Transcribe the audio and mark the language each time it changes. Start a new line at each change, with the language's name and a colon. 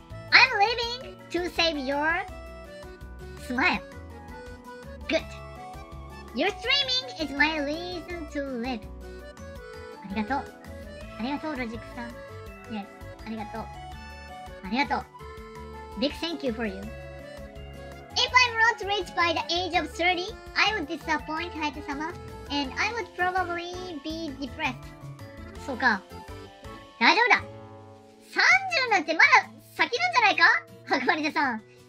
English: I'm living to save your smile. Good. Your streaming is my reason to live.
Japanese: ありがとう。ありがとう、ロジックさん。
English: Yes.
Japanese: ありがとう。ありがとう。
English: Big thank you for you. If I'm not rich by the age of 30, I would disappoint Hayate-sama, and I would probably be depressed.
Japanese: そうか。大丈夫だ。 30なんてまだ先なんじゃないか、ハクマリネさん。